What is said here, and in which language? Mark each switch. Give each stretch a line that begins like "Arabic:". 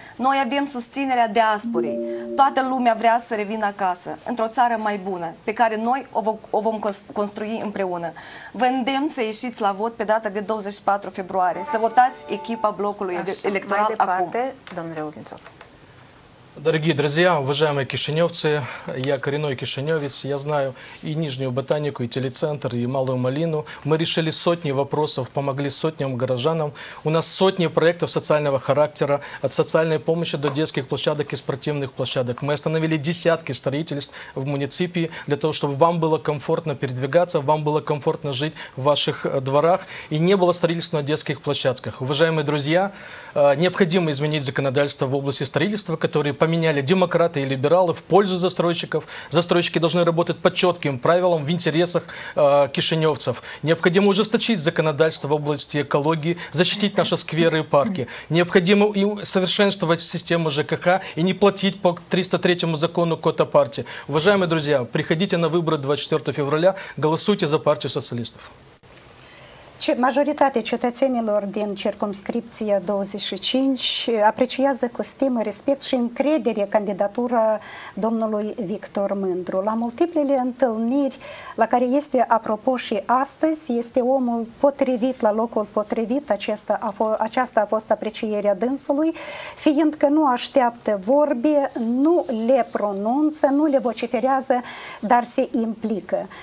Romanian: Noi avem susținerea diasporei. Toată lumea vrea să revină acasă, într-o țară mai bună, pe care noi o vom construi împreună. Vă îndemn să ieșiți la vot pe data de 24 februarie, să votați echipa blocului electoral mai departe, acum. Domnule Ugințov.
Russian: Дорогие друзья, уважаемые кишиневцы, я коренной кишиневец, я знаю и Нижнюю Ботанику, и телецентр, и Малую Малину. Мы решили сотни вопросов, помогли сотням горожанам. У нас сотни проектов социального характера, от социальной помощи до детских площадок и спортивных площадок. Мы остановили десятки строительств в муниципии для того, чтобы вам было комфортно передвигаться, вам было комфортно жить в ваших дворах и не было строительства на детских площадках. Уважаемые друзья, необходимо изменить законодательство в области строительства, которое поменяли демократы и либералы в пользу застройщиков. Застройщики должны работать по четким правилам в интересах кишиневцев. Необходимо ужесточить законодательство в области экологии, защитить наши скверы и парки. Необходимо и совершенствовать систему ЖКХ и не платить по 303 закону Кота партии. Уважаемые друзья, приходите на выборы 24 февраля, голосуйте за партию социалистов.
Romanian: Majoritatea cetățenilor din circumscripția 25 apreciază cu stimă, respect și încredere candidatura domnului Victor Mândru. La multiplele întâlniri la care este, apropo, și astăzi, este omul potrivit la locul potrivit, aceasta a fost aprecierea dânsului, fiindcă nu așteaptă vorbe, nu le pronunță, nu le vociferează, dar se implică.